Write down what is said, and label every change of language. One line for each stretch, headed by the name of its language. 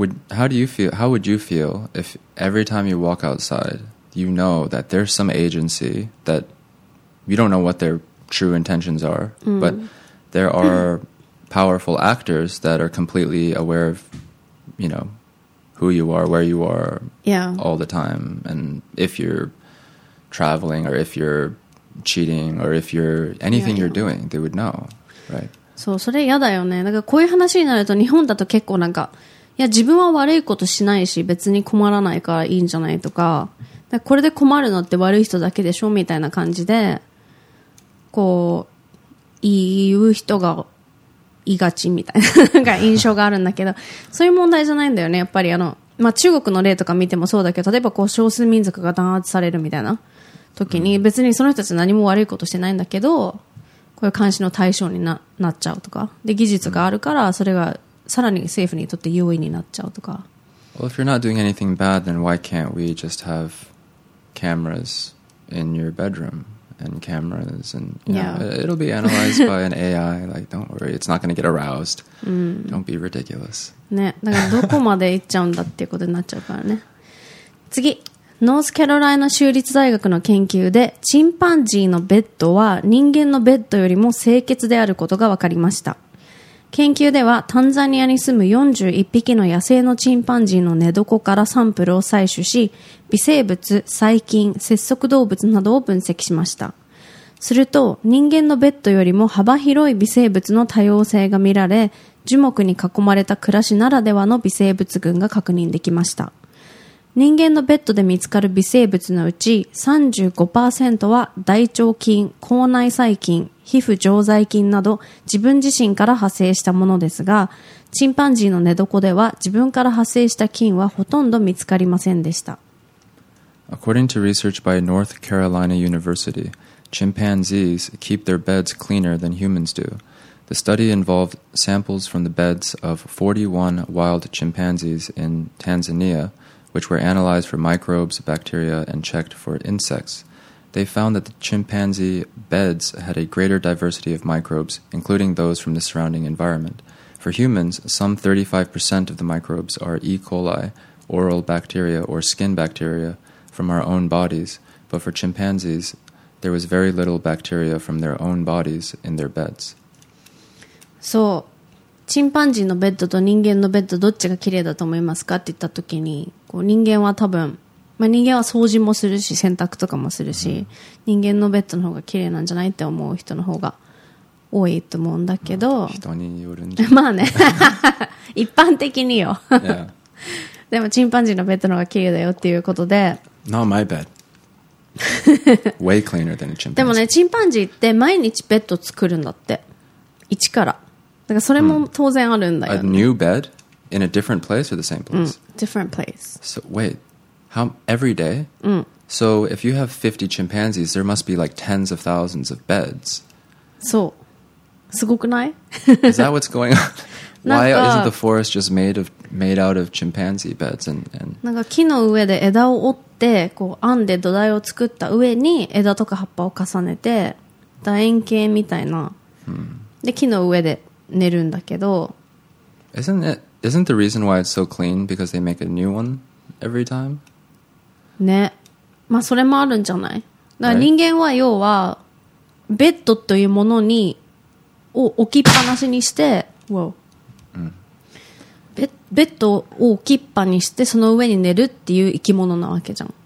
English: How would you feel if every time you walk outside, you know that there's some agency that you don't know what their true intentions are, but there are powerful actors that are completely aware of, you know, who you are, where you are, yeah, all the time, and if you're traveling or if you're cheating or if you're anything yeah, yeah. you're doing, they would know, right?
Japanese: そう、それ嫌だよね。なんかこういう話になると日本だと結構なんか、いや自分は悪いことしないし別に困らないからいいんじゃないとか、だからこれで困るのって悪い人だけでしょみたいな感じで、こう言う人が。いがちみたいな印象があるんだけど、そういう問題じゃないんだよね。やっぱりあの、まあ、中国の例とか見てもそうだけど、例えばこう少数民族が弾圧されるみたいな時に、別にその人たち何も悪いことしてないんだけど、こういう監視の対象に なっちゃうとか、で技術があるからそれがさらに政府にとって優位になっちゃうとか。
English: Well, if you're not doing anything bad, then why can't we just have cameras in your bedroom? And cameras, and you know, yeah. it'll be analyzed by an AI. Like, don't worry, it's not going to get aroused. Don't be ridiculous.
Japanese: ね、だからどこまで行っちゃうんだっていうことになっちゃうからね。次、ノースカロライナ州立大学の研究で、チンパンジーのベッドは人間のベッドよりも清潔であることが分かりました。研究では、タンザニアに住む41匹の野生のチンパンジーの寝床からサンプルを採取し、微生物、細菌、節足動物などを分析しました。すると、人間のベッドよりも幅広い微生物の多様性が見られ、樹木に囲まれた暮らしならではの微生物群が確認できました。人間のベッドで見つかる微生物のうち 35% は大腸菌、口内細菌、皮膚常在菌など自分自身から派生したものですが、チンパンジーの寝床では自分から派生した菌はほとんど見つかりませんでした。
English: According to research by North Carolina University, chimpanzees keep their beds cleaner than humans do. The study involved samples from the beds of 41 wild chimpanzees in Tanzania. Which were analyzed for microbes, bacteria, and checked for insects. They found that the chimpanzee beds had a greater diversity of microbes, including those from the surrounding environment. For humans, some 35% of the microbes are E. coli, oral bacteria, or skin bacteria from our own bodies, but for chimpanzees, there was very little bacteria from their own bodies in their beds.
Japanese: So, チンパンジーのベッドと人間のベッド、どっちが綺麗だと思いますかって言ったときに、人間は多分、まあ、人間は掃除もするし洗濯とかもするし、人間のベッドの方が綺麗なんじゃないって思う人の方が多いと思うんだけど、まあ、人によるんじゃない、まあね一般的によ、
English: yeah.
Japanese: でもチンパンジーのベッドの方が綺麗だよっていうことで、
English: Not my bed. Way cleaner than a chimpanzee.
Japanese: でもね、チンパンジーって毎日ベッド作るんだって、一から。だからそれも当然あるんだよ、ね、
English: A new bed? In a different place or the same place? Different place. So wait, how every day? So if you have 50 chimpanzees, there must be like tens of thousands of beds.
Japanese: So, すごくない?
English: Is that what's going on? Why isn't the forest just made out of chimpanzee beds? And
Japanese: なんか木の上で枝を折って、こう編んで土台を作った上に枝とか葉っぱを重ねて、楕円形みたいな。で木の上で寝るんだけど。
English: Isn't it? Isn't the reason why it's so clean because they make a new one every time?
Japanese: ね。まあ、それもあるんじゃない？だから人間は要は、ベッドというものに、を置きっぱなしにして、
English: Whoa.
Japanese: ベッドを置きっぱにして、その上に寝るっていう生き物なわけじゃん。